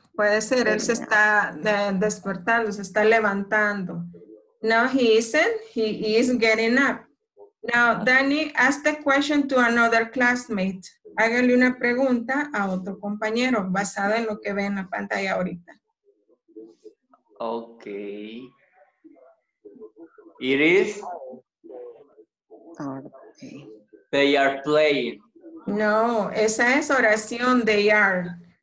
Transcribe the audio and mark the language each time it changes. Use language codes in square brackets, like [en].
[es] Puede ser, él se está despertando, se está levantando. [en] No, he isn't. He is getting up. Now, Danny, ask the question to another classmate. [es] Hágale una pregunta a otro compañero basada en lo que ve en la pantalla ahorita. Okay. It is. Okay. They are playing. No, esa es oración, [en] they are.